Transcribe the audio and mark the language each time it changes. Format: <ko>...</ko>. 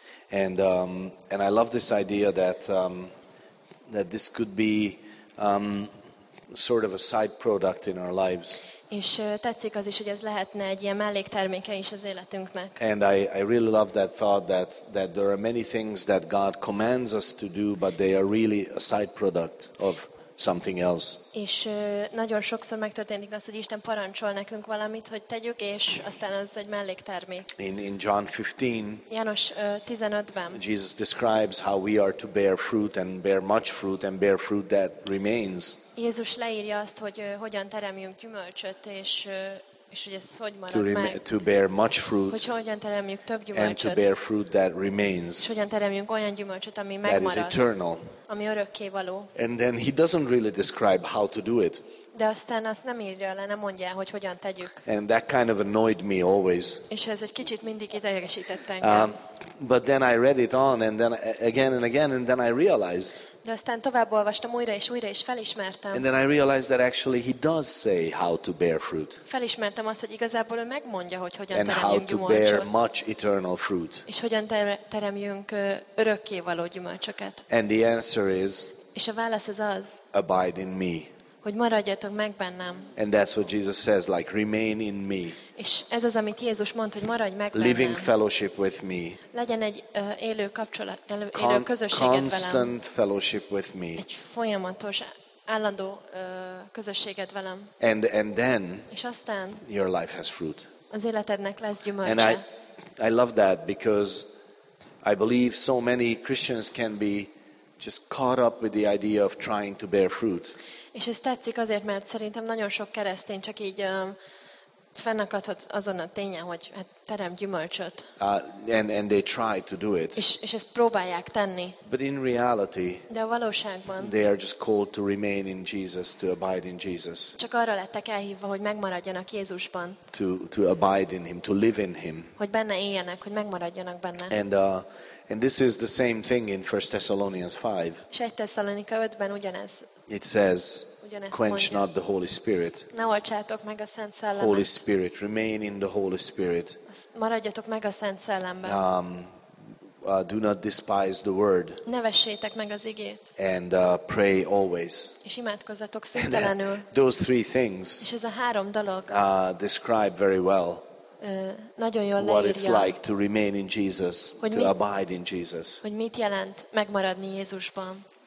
<en>And I love this idea that that this could be sort of a side product in our lives.</en> <hu>És tetszik az is, hogy ez lehetne egy ilyen mellékterméke is az életünknek.</hu> <en>And I really love that thought that there are many things that God commands us to do, but they are really a side product of something else.</en> <hu>És nagyon sokszor megtörténik az, hogy Isten parancsol nekünk valamit, hogy tegyük, és aztán az egy melléktermék.</hu> <en>In John 15,</en> <hu>János 15-ben,</hu> <en>Jesus describes how we are to bear fruit and bear much fruit and bear fruit that remains.</en> <hu>Jézus leírja azt, hogy hogyan teremjünk gyümölcsöt, és hogy ez hogy marad meg.</hu> <en>To bear much fruit.</en> <hu>Hogy hogyan teremjük több gyümölcsöt.</hu> <en>And to bear fruit that remains.</en> <hu>És hogyan teremjünk olyan gyümölcsöt, ami megmarad.</hu> <en>That is eternal.</en> <hu>Ami örökké való.</hu> <en>And then he doesn't really describe how to do it.</en> <hu>De aztán azt nem írja le, nem mondja, hogy hogyan tegyük.</hu> <en>And that kind of annoyed me always.</en> <hu>És ez egy kicsit mindig idegesített engem.</hu> <en>But then I read it on and then again and again and then I realized.</en> <hu>De aztán továbbolvastam újra és újra és felismertem.</hu> <en>And then I realized that actually he does say how to bear fruit.</en> <hu>Felismertem azt, hogy igazából ő megmondja, hogy hogyan teremjünk gyümölcsöt.</hu> <en>And how to bear much eternal fruit.</en> <hu>És hogyan teremjünk örökké való gyümölcsöket.</hu> <en>And the answer is.</en> <hu>És a válasz az az.</hu> <en>Abide in me.</en> <hu>Hogy maradjatok meg bennem.</hu> <en>And that's what Jesus says, like remain in me.</en> <hu>És ez az, amit Jézus mond, hogy maradj meg bennem.</hu> <en>Living fellowship with me.</en> <hu>Legyen egy élő kapcsolat, élő közösséged velem.</hu> <en>Constant fellowship with me.</en> <hu>Egy folyamatos, állandó közösséged velem.</hu> <en>And then.</en> <hu>És aztán.</hu> <en>Your life has fruit.</en> <hu>Az életednek lesz gyümölcse.</hu> <en>And I love that because I believe so many Christians can be just caught up with the idea of trying to bear fruit.</en> <hu>És ez tetszik azért, mert szerintem nagyon sok keresztény csak így fennakadhat azon a tényen, hogy hát terem gyümölcsöt.</hu> <en>And they try to do it.</en> <hu>És ezt próbálják tenni.</hu> <en>But in reality,</en> <hu>de a valóságban,</hu> <en>they are just called to remain in Jesus, to abide in Jesus.</en> <hu>Csak arra lettek elhívva, hogy megmaradjanak Jézusban.</hu> <en>To abide in him, to live in him.</en> <hu>Hogy benne éljenek, hogy megmaradjanak benne.</hu> <en>And this is the same thing in 1 Thessalonians 5.</en> <hu>És 1 Thessalonika 5-ben ugyanez.</hu> <en>It says, quench not the Holy Spirit.</en> <hu>Ne oltsátok meg a Szent Szellemet.</hu> <en>Holy Spirit, remain in the Holy Spirit.</en> <hu>Maradjatok meg a Szent Szellemben.</hu> <en>Do not despise the word.</en> <hu>Ne vessétek meg az igét.</hu> <en>And pray always.</en> <hu>És imádkozzatok szüntelenül.</hu> <en>Those three things.</en> <hu>És ez a három dolog.</hu> <en>Describe very well.</en> <hu>Nagyon jól leírja.</hu> <en>What it's like to remain in Jesus, to abide in Jesus.</en> <hu>Hogy mit jelent megmaradni Jézusban?</hu>